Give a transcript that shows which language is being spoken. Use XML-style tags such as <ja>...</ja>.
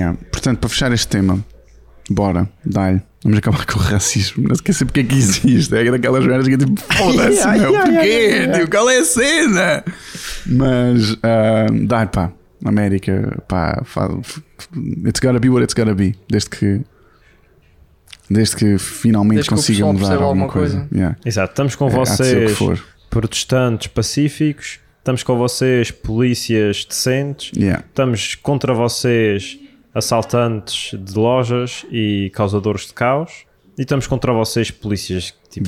<pt>Portanto, para fechar este tema, bora, dá-lhe. Vamos acabar com o racismo. Não esquece porque é que existe. É daquelas merdas que é tipo, foda-se, meu. Porquê? Qual é a cena? Mas, dá-lhe, pá.</pt> <en>América, pá, it's gotta be what it's gotta be.</en> <pt>Desde que finalmente consigam mudar alguma coisa.</pt> <en>Yeah.</en> <pt>Exato, estamos com vocês protestantes pacíficos, estamos com vocês polícias decentes, estamos contra vocês assaltantes de lojas e causadores de caos, e estamos contra vocês polícias tipo,</pt>